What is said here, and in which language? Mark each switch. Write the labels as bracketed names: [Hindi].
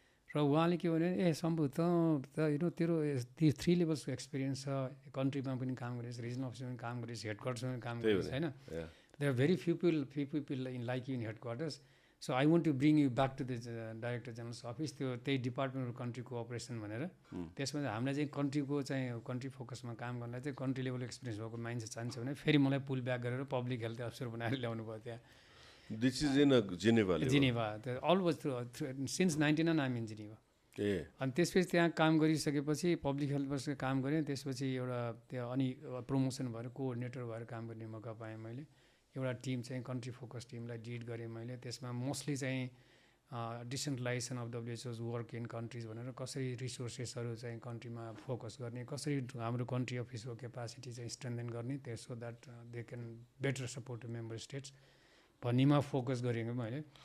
[Nepali] र उहाँले के भन्यो भने ए शम्भु त यु नो तेरो थ्री लेभल्सको एक्सपिरियन्स छ, कन्ट्रीमा पनि काम गरेछ, रिजनल अफिसमा पनि काम गरेछ, हेडक्वार्टर्समा पनि काम गरेछ होइन, [English] they are very few people in like you in headquarters, so I want to bring you back to the director general's office, [Nepali] त्यो त्यही डिपार्टमेन्ट अफ कन्ट्री कोअपरेसन भनेर। त्यसमा हामीलाई चाहिँ कन्ट्रीको चाहिँ कन्ट्री फोकसमा काम गर्नलाई चाहिँ कन्ट्री लेभल एक्सपिरियन्स भएको मान्छे चाहन्छ भने फेरि मलाई पुल ब्याक गरेर पब्लिक हेल्थ अफिसर बनाएर ल्याउनु भयो त्यहाँ। [English] This is in Geneva. Geneva त always since 99 I'm in Geneva. ए [Nepali] अनि त्यसपछि त्यहाँ काम गरिसकेपछि पब्लिक हेल्थ पर्सनको काम गरेँ, त्यसपछि एउटा त्यहाँ अनि प्रमोसन भएर कोअर्डिनेटर भएर काम गर्ने मौका पाएँ मैले। एउटा टिम चाहिँ कन्ट्री फोकस टिमलाई लिड गरेँ मैले, त्यसमा मोस्टली चाहिँ [English] decentralisation of WHO work in countries [Nepali] भनेर, कसरी रिसोर्सेसहरू चाहिँ कन्ट्रीमा फोकस गर्ने, कसरी हाम्रो कन्ट्री अफिसको क्यापासिटी चाहिँ स्ट्रेन्थन गर्ने, त्यो [English] so that they can better support member states [Nepali] भन्नेमा फोकस गरेँ मैले।